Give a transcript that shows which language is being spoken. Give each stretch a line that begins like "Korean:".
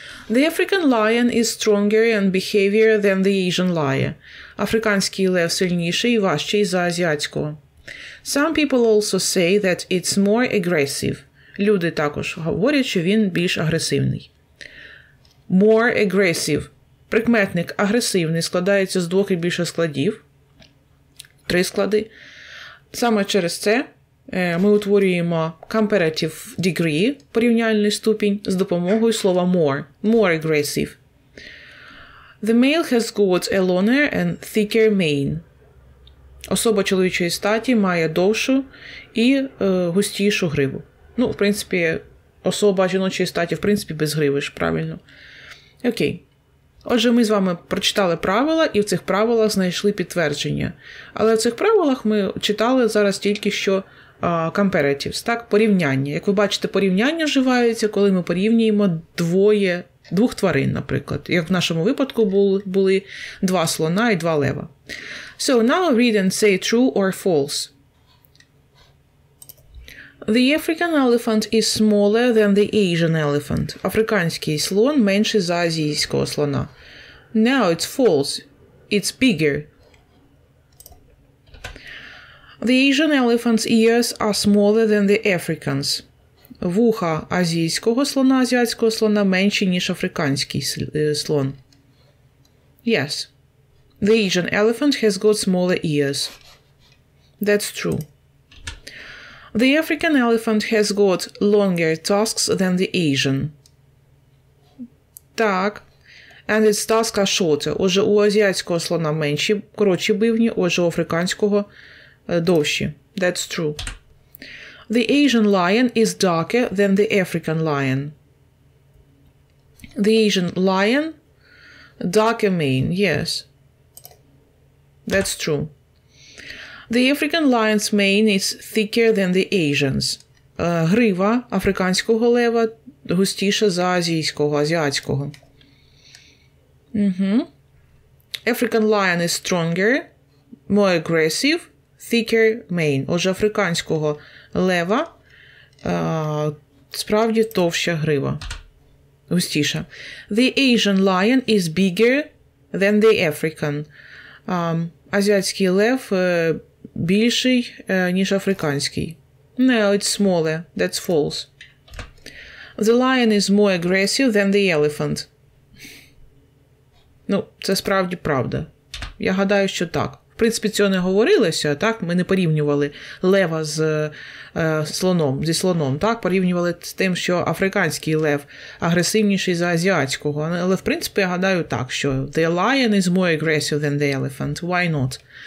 English: The African lion is stronger and behavior than the Asian lion.
Ukrainian: Африканський лев сильніший і важчий за азіатського.
English: Some people also say that it's more aggressive.
Ukrainian: Люди також говорять, що він більш агресивний.
English: More aggressive.
Ukrainian: Прикметник агресивний складається з двох і більше складів. Три склади. Саме через це ми утворюємо comparative degree, порівняльний ступінь, з допомогою слова more.
English: More aggressive. The male has got a longer and thicker mane.
Ukrainian: Особа чоловічої статі має довшу і густішу гриву. Ну, в принципі, особа жіночої статі, в принципі, без гриви ж, правильно? Окей. Отже, ми з вами прочитали правила, і в цих правилах знайшли підтвердження. Але в цих правилах ми читали зараз тільки що comparatives, так, порівняння. Як ви бачите, порівняння вживається, коли ми порівнюємо двох тварин, наприклад. Як в нашому випадку були два слона і два лева.
English: So, now read and say true or false. The African elephant is smaller than the Asian elephant.
Ukrainian: Африканський слон менший за азійського слона.
English: Now it's false. It's bigger. The Asian elephant's ears are smaller than the African's.
Ukrainian: Вуха азіатського слона менші, ніж африканський слон.
English: Yes. The Asian elephant has got smaller ears. That's true. The African elephant has got longer tusks than the Asian.
Ukrainian: Так.
English: And its tusks are shorter.
Ukrainian: Отже, у азіатського слона менші, коротші бивні, отже, у африканського довші.
English: That's true. The Asian lion is darker than the African lion. The Asian lion, darker mane, yes. That's true. The African lion's mane is thicker than the Asian's.
Ukrainian: Грива африканського лева густіша за азіатського.
English: Mm-hmm. African lion is stronger, more aggressive, thicker mane.
Ukrainian: Отже, африканського лева справді товща грива, густіша.
English: The Asian lion is bigger than the African.
Ukrainian: Азіатський лев більший, ніж африканський.
English: No, it's smaller. That's false. The lion is more aggressive than the elephant.
Ukrainian: Ну, це справді правда. Я гадаю, що так. В принципі, цього не говорилося, так? Ми не порівнювали лева з слоном, зі слоном, так? Порівнювали з тим, що африканський лев агресивніший за азіатського. Але, в принципі, я гадаю так, що
English: the lion is more aggressive than the elephant. Why not?